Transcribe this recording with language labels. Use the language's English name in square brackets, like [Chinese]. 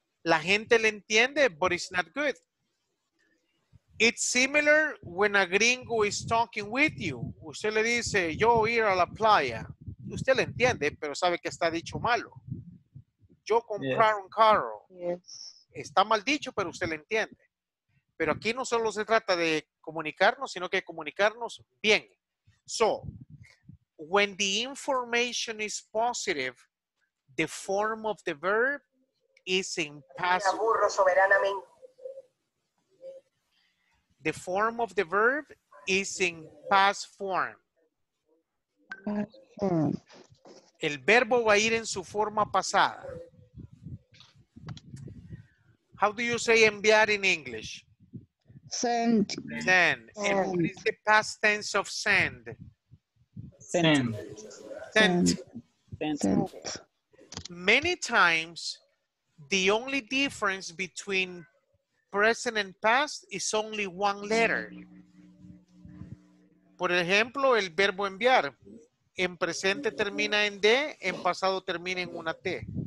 [Spanish] La gente le entiende, [English] but it's not good. It's similar when a gringo is talking with you. [Spanish] Usted le dice yo ir a la playa. Usted le entiende, pero sabe que está dicho malo. Yo comprar un carro. Está mal dicho, pero usted le entiende. Pero aquí no solo se trata de comunicarnos, sino que comunicarnos bien. [English] So, when the information is positive, the form of the verb is in past. [Spanish] Me aburro soberanamente. [English] The form of the verb is in past form. Past [Spanish] El verbo va a ir en su forma pasada. [English] How do you say enviar in English? Send. Send. And what is the past tense of send? Send. Send. Send. Send. Many times, the only difference between present and past is only one letter. [Spanish] Por ejemplo, el verbo enviar. En presente termina en D, en pasado termina en una T.